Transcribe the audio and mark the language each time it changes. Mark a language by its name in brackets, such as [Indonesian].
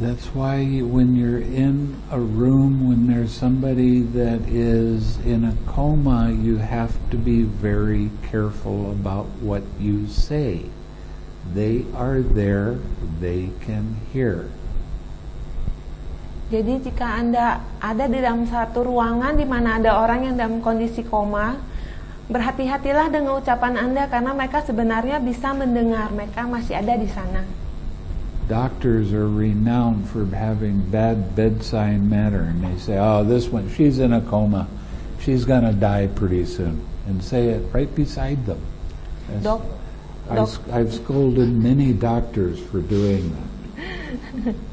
[English] That's why when you're in a room, when there's somebody that is in a coma, you have to be very careful about what you say. They are there, they can hear. [Indonesian] Jadi jika Anda ada di dalam satu ruangan di mana ada orang yang dalam kondisi koma, berhati-hatilah dengan ucapan Anda karena mereka sebenarnya bisa mendengar, mereka masih ada di sana. [English] Doctors are renowned for having bad bedside manner, and they say, oh, this one, she's in a coma, she's going to die pretty soon, and say it right beside them. I've scolded many doctors for doing that.